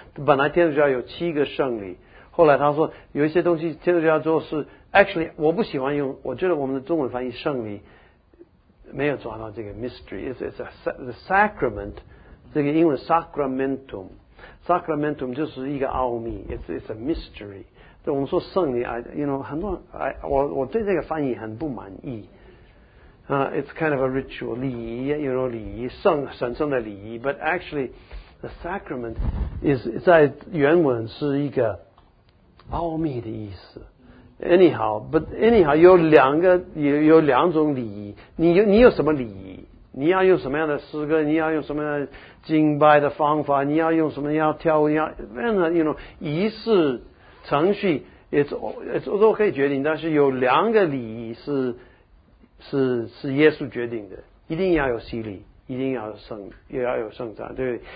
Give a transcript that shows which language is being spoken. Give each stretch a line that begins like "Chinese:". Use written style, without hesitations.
Chinese: 本来天主教有七个圣礼，后来他说有一些东西天主教做是 actually 我不喜欢用，我觉得我们的中文翻译圣礼没有抓到这个 mystery，
English: it's the sacrament，
Chinese: 这个英文 sacramentum 就是一个奥秘，
English: it's a mystery。
Chinese: 我们说圣礼 很多 我对这个翻译很不满意。
English: It's kind of a ritual, 礼仪, you know, 礼仪,
Chinese: 神圣的礼仪,
English: but actually, the sacrament is,
Chinese: 在原文是一个奥秘的意思。 Anyhow, 有两种礼仪, 你有什么礼仪? 你要用什么样的诗歌, 你要用什么样的敬拜的方法, 你要用什么样的跳舞, 仪式程序, it's 都可以决定, 但是有两个礼仪是耶稣决定的，一定要有洗礼，一定要有圣，也要有圣餐，对不对？